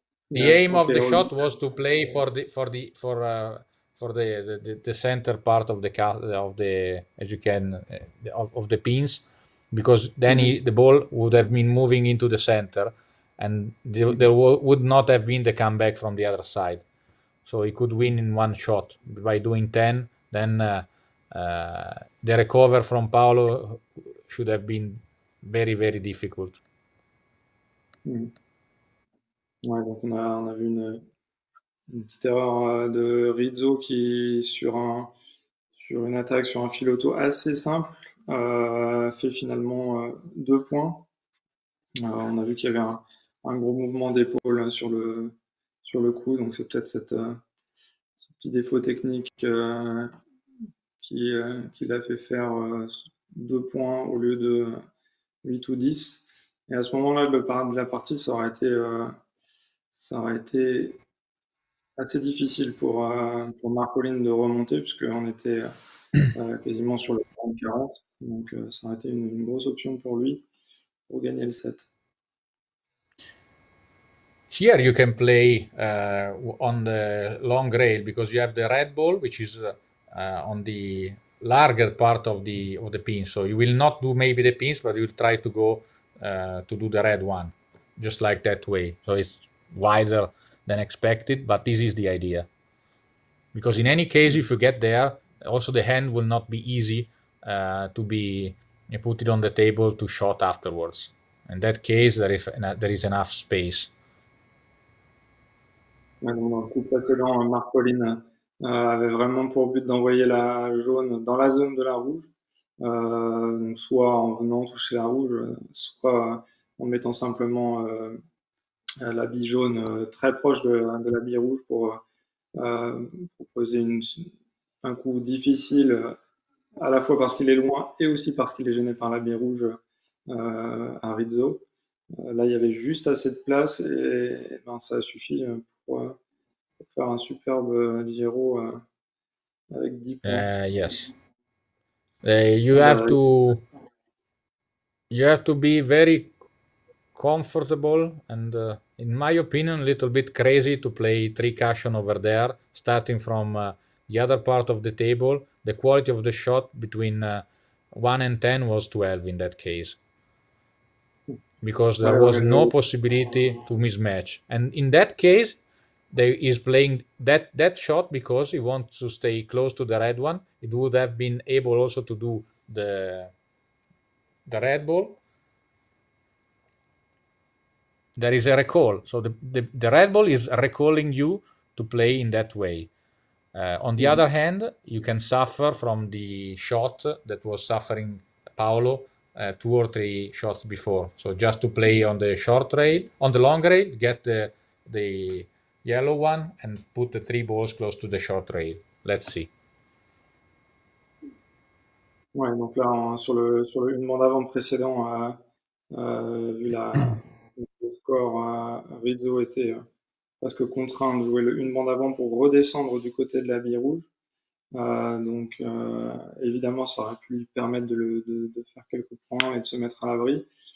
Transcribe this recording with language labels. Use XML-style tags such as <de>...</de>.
<en>The aim of the shot was to play for the center part of the cut of the, as you can, of the pins, because then the ball would have been moving into the center and there would not have been the comeback from the other side. So he could win in one shot by doing 10. Then the recover from Paolo should have been very, very difficult. Mm.</en> <fr>Ouais, donc on a vu une petite erreur de Rizzo qui, sur une attaque, sur un filoto assez simple, fait finalement deux points. On a vu qu'il y avait un gros mouvement d'épaule sur le coup, donc c'est peut-être ce petit défaut technique qui l'a fait faire deux points au lieu de 8 ou 10. Et à ce moment-là, la partie, ça aurait été assez difficile pour Marcolin de remonter, puisqu'on était quasiment sur le 40. Donc ça aurait été une grosse option pour lui pour gagner le set.</fr> <en>Here you can play on the long rail, because you have the red ball, which is... On the larger part of the pins. So you will not do maybe the pins, but you'll try to go to do the red one, just like that way. So it's wider than expected, but this is the idea. Because in any case, if you get there, also the hand will not be easy to be put it on the table to shot afterwards. In that case, there is enough space.</en> <fr>Mon coup précédent, Marcolin avait vraiment pour but d'envoyer la jaune dans la zone de la rouge, donc soit en venant toucher la rouge, soit en mettant simplement la bille jaune très proche de la bille rouge pour proposer un coup difficile, à la fois parce qu'il est loin et aussi parce qu'il est gêné par la bille rouge à Rizzo. Là, il y avait juste assez de place et ben, ça a suffi pour faire un superbe Giro avec 10 points.</fr> <en>Yes. You have to be very comfortable and in my opinion a little bit crazy to play three cushion over there, starting from the other part of the table. The quality of the shot between 1 and 10 was 12 in that case, because there was no possibility to mismatch. And in that case, they is playing that shot because he wants to stay close to the red one. It would have been able also to do the red ball. There is a recall. So the red ball is recalling you to play in that way. On the other hand, you can suffer from the shot that was suffering Paolo two or three shots before. So just to play on the short rail, on the long rail, get the yellow one and put the three balls close to the short rail. Let's see.</en> <fr>Ouais, donc là, sur le une demande avant précédent, vu la le score, Rizzo était presque contraint de jouer le une demande avant pour redescendre du côté de la bille rouge. Donc évidemment, ça aurait pu lui permettre de faire quelques points et de se mettre à l'abri.</fr>